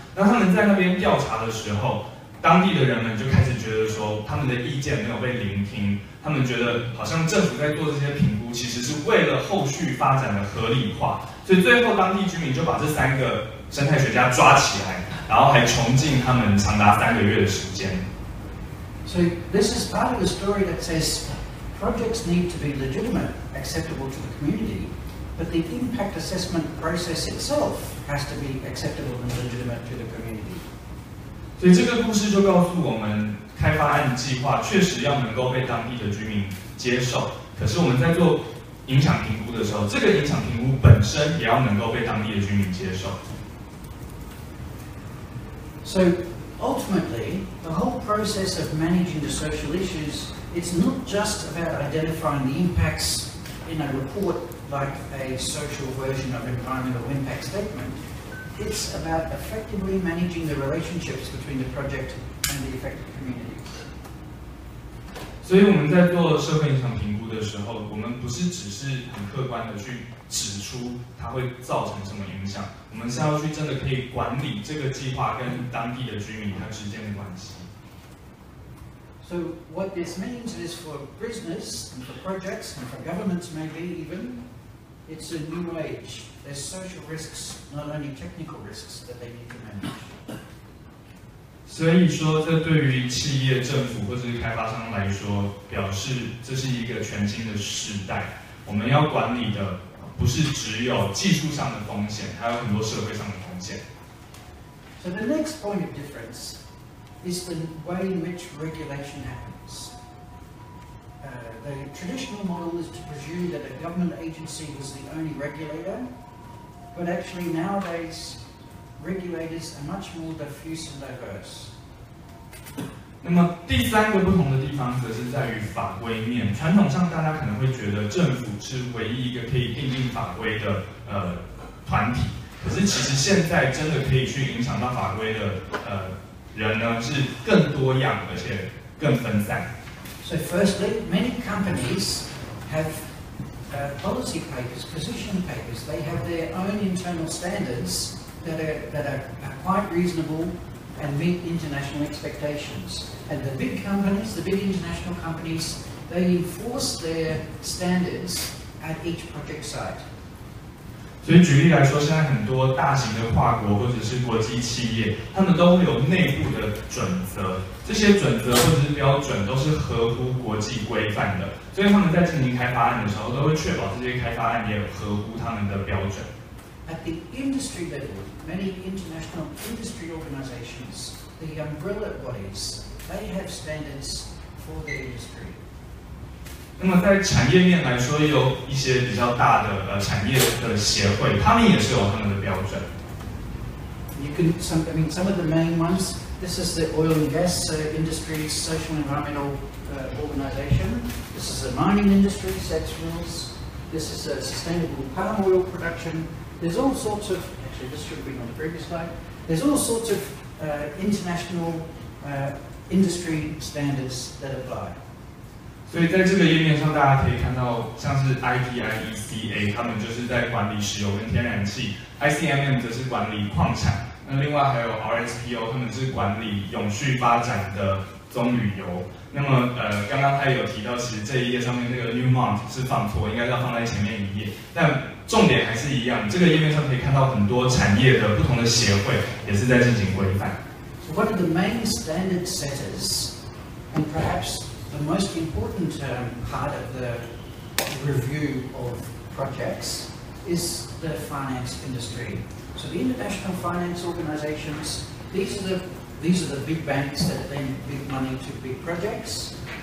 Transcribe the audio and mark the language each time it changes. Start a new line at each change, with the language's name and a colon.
Chinese: 那他们在那边调查的时候，当地的人们就开始觉得说他们的意见没有被聆听，他们觉得好像政府在做这些评估其实是为了后续发展的合理化，所以最后当地居民就把这三个生态学家抓起来，然后还囚禁他们长达三个月的时间。
English: So this is part of the story that says projects need to be legitimate, acceptable to the community, but the impact assessment process itself has to be acceptable and legitimate to the community.
Chinese: 所以这个故事就告诉我们，开发案计划确实要能够被当地的居民接受，可是我们在做影响评估的时候，这个影响评估本身也要能够被当地的居民接受。
English: So,Ultimately, the whole process of managing the social issues, it's not just about identifying the impacts in a report like a social version of environmental impact statement. It's about effectively managing the relationships between the project and the affected community.
Chinese: 所以我们在做社会影响评估的时候，我们不是只是很客观的去指出它会造成什么影响，我们是要去真的可以管理这个计划跟当地的居民他之间的关系。
English: So what this means is for business and for projects and for governments maybe even, it's a new age. There's social risks, not only technical risks that they need to manage.
Chinese: 所以说，这对于企业、政府或者是开发商来说，表示这是一个全新的时代。我们要管理的。不是只有技术上的风险，还有很多社会上的风险。
English: So the next point of difference is the way in which regulation happens. The traditional model is to presume that a government agency was the only regulator, but actually nowadays regulators are much more diffuse and diverse.
Chinese: 那么第三个不同的地方则是在于法规面。传统上大家可能会觉得政府是唯一一个可以订定法规的团体，可是其实现在真的可以去影响到法规的人呢是更多样而且更分散。
English: So firstly, many companies have policy papers, position papers. They have their own internal standards that are quite reasonable. And meet international expectations. And the big companies, the big international companies, they enforce their standards at each project site.
Chinese: 所以举例来说，现在很多大型的跨国或者是国际企业，他们都会有内部的准则。这些准则或者是标准都是合乎国际规范的。所以他们在进行开发案的时候，都会确保这些开发案也有合乎他们的标准。
English: At the industry level, many international industry organizations, the umbrella bodies, they have standards for their industry.
Chinese: 那么在产业面来说，有一些比较大的产业的协会，他们也是有他们的标准。
English: You can some of the main ones. This is the oil and gas industry social and environmental organization. This is the mining industry sectionals. This is a sustainable palm oil production. There's all sorts of, actually this should have been on the previous slide, there's all sorts of international industry standards that apply.
Chinese: 所以在这个页面上大家可以看到像是 IPIECA, 他们就是在管理石油跟天然气， ICMM 则是管理矿产，那另外还有 RSPO, 他们是管理永续发展的棕榈油。那么刚刚他也有提到，其实这一页上面那个 Newmont 是放错，应该要放在前面一页，但重点还是一样，这个页面上可以看到很多产业的不同的协会也是在进行规范。
English: So what are the main standard setters, and perhaps the most important part of the review of projects is the finance industry. So the international finance organizations, these are the big banks that lend big money to big projects.